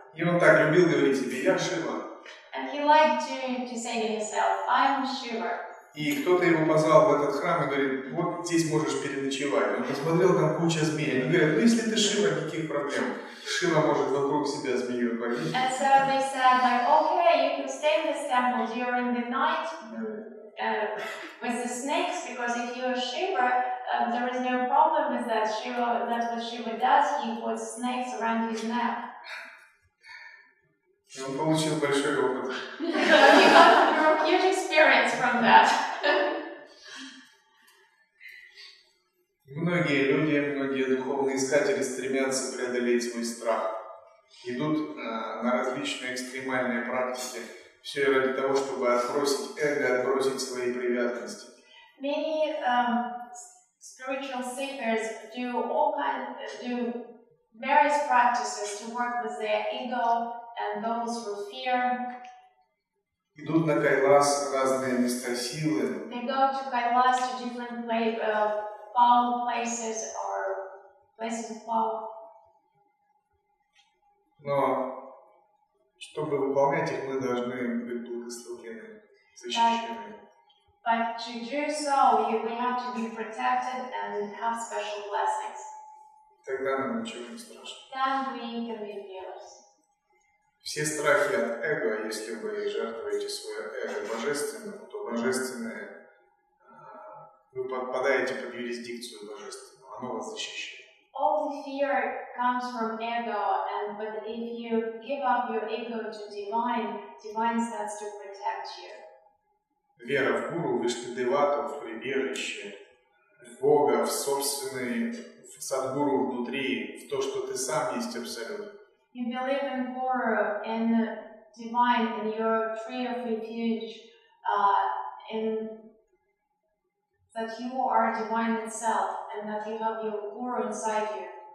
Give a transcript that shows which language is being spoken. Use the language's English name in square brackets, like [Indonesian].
[Russian] И он так любил говорить себе, я Шива. [English] And he liked to say to himself, I'm Shiva. [Russian] И кто-то его позвал в этот храм и говорит, вот здесь можешь переночевать. Он посмотрел, там куча змей. Они говорят, ну если ты Шива, никаких проблем. Шива может вокруг себя змею обойти. [English] And so they said, like, okay, you can stay in this temple during the night with the snakes, because if you're Shiva, there is no problem with that. Shiva, that's what Shiva does, he puts snakes around his neck. [Russian] И он получил большой опыт. [English] He got a huge experience from that. [Russian] Многие люди, многие духовные искатели стремятся преодолеть свой страх. Идут на различные экстремальные практики. Все ради того, чтобы отбросить эго, отбросить свои привязанности. [English] Many spiritual seekers do various practices to work with their ego, and those who fear. [Russian] Идут на Кайлас разные места силы. [English] They go to Kailas to different power places or places of power. [Russian] Но чтобы выполнять их, мы должны быть благословлены, защищены. [English] But to do so, we have to be protected and have special blessings. [Russian] Тогда нам ничего не страшно. [English] Then we can be fearless. [Russian] Все страхи от эго, если вы жертвуете свое эго божественному, то божественное, вы подпадаете под юрисдикцию божественного, оно вас защищает. [English] All the fear comes from ego, and but if you give up your ego to divine, divine starts to protect you. [Russian] Вера в Гуру, Вишну Девату, в прибежище, в Бога, в собственный, в Садгуру внутри, в то, что ты сам есть Абсолют. [English] You believe in Guru, in divine, in your tree of refuge, in that you are divine itself, and that you have your Guru inside you.